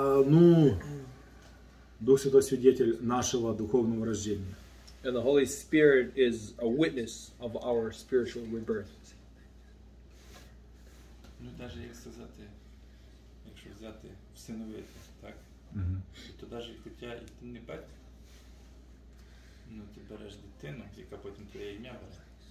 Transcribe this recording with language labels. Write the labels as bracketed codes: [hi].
[ru] Ну, Дух Святой свидетель нашего духовного рождения. [en] And the Holy Spirit is a witness of our spiritual rebirth. [uk] Ну, даже як сказати, якщо взяти всиновити, так? То даже хоча і ти не батько, ну, ти береш дитину, яка потім твоє ім'я бере.